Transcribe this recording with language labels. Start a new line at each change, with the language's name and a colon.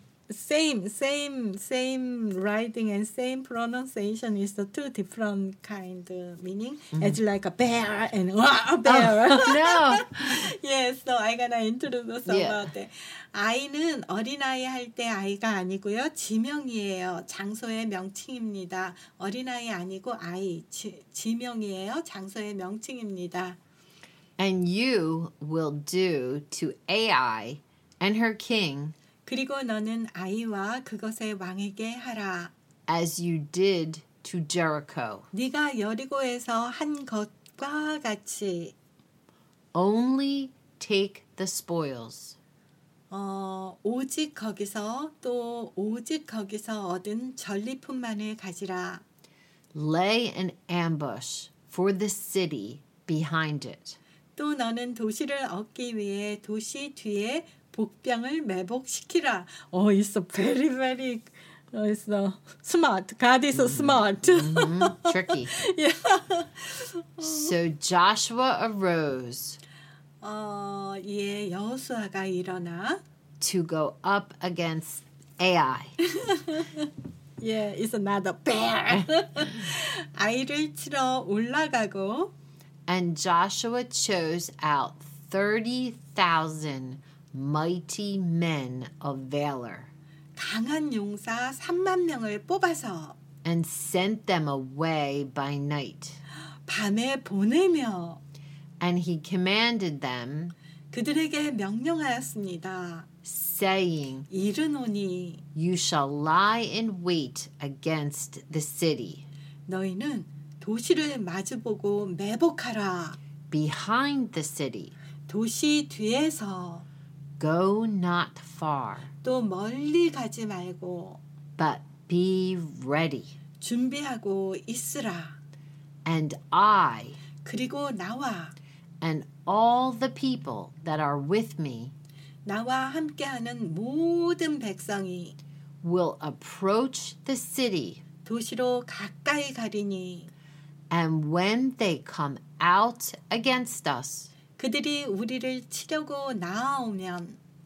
English: It's the same writing and same pronunciation is the two different kind of meaning. Mm-hmm. It's like a bear and a bear. Oh, no. Yes, so I'm going to introduce us about that.
Korean: 아이는 어린아이 할 때 아이가 아니고요. 지명이에요. 장소의 명칭입니다. 어린아이 아니고 아이. 지명이에요. 장소의 명칭입니다.
English: And you will do to Ai and her king.
Korean: 그리고 너는 아이와 그것의 왕에게 하라.
English: As you did to Jericho.
Korean: 네가 여리고에서 한 것과 같이.
English: Only take the spoils.
Korean: 오직 거기서 또 오직 거기서 얻은 전리품만을 가지라.
English: Lay an ambush for the city behind it.
Korean: 또 너는 도시를 얻기 위해 도시 뒤에 복병을 매복시키라.
English: Oh, it's a very, very it's a smart. God is a smart. Tricky. Yeah. So Joshua arose.
Korean: 예, 여호수아가 일어나.
English: To go up against Ai. Yeah, it's another bear.
Korean: 아이를 치러 올라가고.
English: And Joshua chose out 30,000 mighty men of valor.
Korean: 강한 용사 3만 명을 뽑아서.
English: And sent them away by night.
Korean: 밤에 보내며.
English: And he commanded them.
Korean: 그들에게 명령하였습니다.
English: Saying,
Korean: 이르노니,
English: you shall lie in wait against the city.
Korean: 너희는 도시를 마주보고 매복하라.
English: Behind the city.
Korean: 도시 뒤에서.
English: Go not far.
Korean: 또 멀리 가지 말고.
English: But be ready.
Korean: 준비하고 있으라.
English: And I.
Korean: 그리고 나와.
English: And all the people that are with me.
Korean: 나와 함께하는 모든 백성이
English: will approach the city
Korean: 도시로 가까이 가리니
English: and when they come out against us
Korean: 그들이 우리를 치려고 나아오면